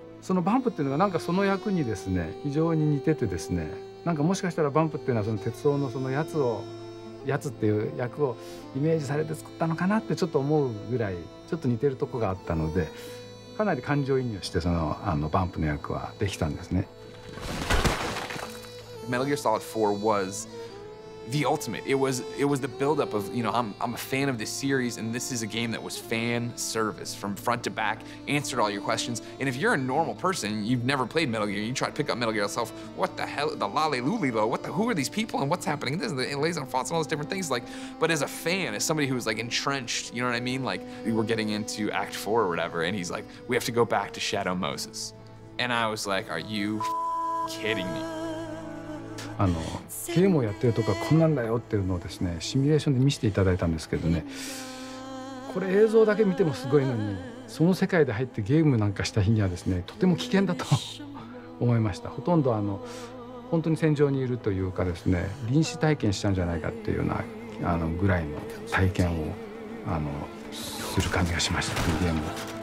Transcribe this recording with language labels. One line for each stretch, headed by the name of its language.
Japanese: そのバンプっていうのがなんかその役にですね非常に似ててですね、なんかもしかしたらバンプっていうのはその鉄道のそのやつをやつっていう役をイメージされて作ったのかなってちょっと思うぐらいちょっと似てるとこがあったので、かなり感情移入してあのバンプの役はできたんですね。
English: Metal Gear Solid 4 was the ultimate. It was the buildup of, you know, I'm a fan of this series, and this is a game that was fan service from front to back, answered all your questions. And if you're a normal person, you've never played Metal Gear, you try to pick up Metal Gear yourself, what the hell, the lolly lully low, what the, who are these people and what's happening? And this is the liaison fonts and all those different things. Like, but as a fan, as somebody who was like entrenched, you know what I mean? Like, we were getting into Act 4 or whatever, and he's like, we have to go back to Shadow Moses. And I was like, are you kidding me?
Japanese: あのゲームをやってるとかこんなんだよっていうのをですねシミュレーションで見せていただいたんですけどね、これ映像だけ見てもすごいのに、その世界で入ってゲームなんかした日にはですねとても危険だと思いました。ほとんどあの本当に戦場にいるというかですね、臨死体験したんじゃないかっていうようなあのぐらいの体験をあのする感じがしました、このゲームは。